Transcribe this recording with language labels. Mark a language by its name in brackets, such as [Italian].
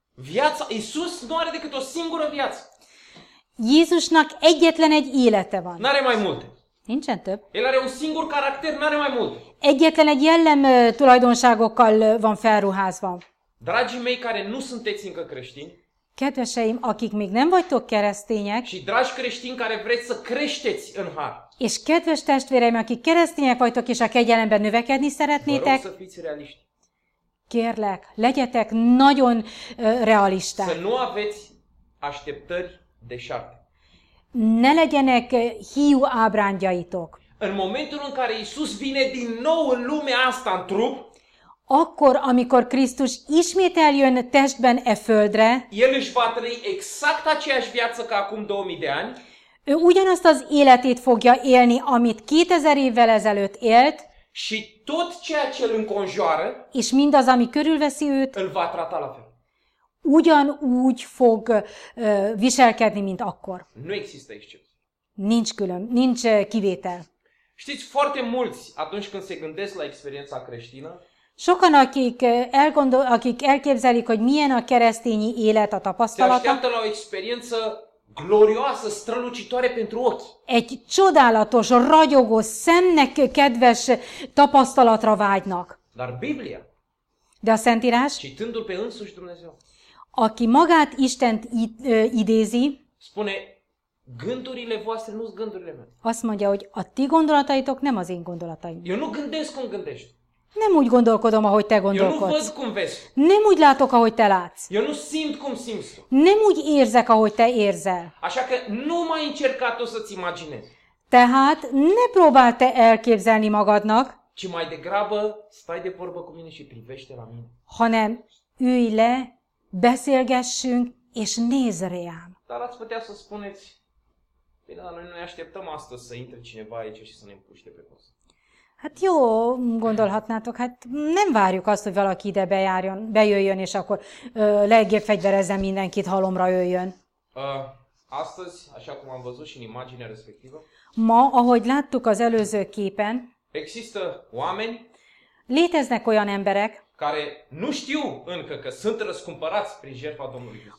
[Romanian] Viața, Iisus nu are decât o singură viață. [Hungarian] Jézusnak egyetlen egy élete van. [Romanian] N-are mai mult. [Hungarian] Nincsen több. [Romanian] El are un singur caracter, n-are mai mult. [Hungarian] Egyetlen egy jellem tulajdonságokkal van felruházva. [Romanian] Dragii mei, care nu sunteți încă creștini, [Hungarian] kedveseim, akik még nem vagytok keresztények, [Romanian] și dragi creștini care vreți să creșteți în har. [Hungarian] És kedves testvéreim, akik keresztények vagytok és a kegyelemben növekedni szeretnétek, [Romanian] vă rog să fiți realiști. [Hungarian] Kérlek, legyetek nagyon realisták. [Romanian] Să nu aveți așteptări deșarte. [Hungarian] Ne legyenek hiú ábrándjaitok. [Romanian] În momentul în care Iisus vine din nou în lumea asta în trup, [Hungarian] Akkor, amikor Krisztus ismét eljön testben e földre, [Romanian] el își va trăi exact aceeași viață ca acum 2000 de ani, [Hungarian] ő ugyanazt az életét fogja élni, amit 2000 évvel ezelőtt élt, [Romanian] și tot ceea ce îl înconjoară, [Hungarian] és mindaz, ami körülveszi őt, [Romanian] îl va trata la fel. [Hungarian] Ugyanúgy fog viselkedni, mint akkor. [Romanian] Nu există excepție. [Hungarian] Nincs külön, nincs kivétel. [Romanian] Știți, foarte mulți, atunci când se gândesc la experiența creștină, [Hungarian] sokan, akik elképzelik, hogy milyen a keresztényi élet, a tapasztalata, [Romanian] la o experiență glorioasă, strălucitoare pentru ochi. [Hungarian] Egy csodálatos, ragyogó, szemnek kedves tapasztalatra vágynak. [Romanian] Dar Biblia, [Hungarian] de a Szentírás, [Romanian] citându-l pe însuși Dumnezeu, [Hungarian] aki magát Istent idézi, [Romanian] spune, gândurile voastre nu-s gândurile mele. [Hungarian] Azt mondja, hogy a ti gondolataitok nem az én gondolataim. [Romanian] Eu nu gândesc cum gândești. [Hungarian] Nem úgy gondolkodom, ahogy te gondolkodsz. [Romanian] Eu nu văd cum vezi. [Hungarian] Nem úgy látok, ahogy te látsz. [Romanian] Eu nu simt cum simți. [Hungarian] Nem úgy érzek, ahogy te érzel. [Romanian] Așa că nu mai încerca tu să-ți imaginezi. [Hungarian] Tehát ne próbál te elképzelni magadnak. [Romanian] Ci mai degrabă stai de vorbă cu mine și privește la mine. [Hungarian] Hanem ülj le, beszélgessünk és nézz rám. [Romanian] Dar ați putea să spuneți, bine, dar noi nu ne așteptăm astăzi să intre cineva aici și să ne împuște pe post. [Hungarian] Hát jó, gondolhatnátok, hát nem várjuk azt, hogy valaki ide bejárjon, bejöjjön, és akkor leegyébb fegyverezzen mindenkit, halomra jöjjön. [Romanian] Astăzi, așa cum am văzut și în imaginea respectivă, [Hungarian] ma, ahogy láttuk az előző képen, [Romanian] există oameni, [Hungarian] léteznek olyan emberek, [Romanian] care nu știu încă că sunt răscumpărați prin jertfa Domnului Hristos.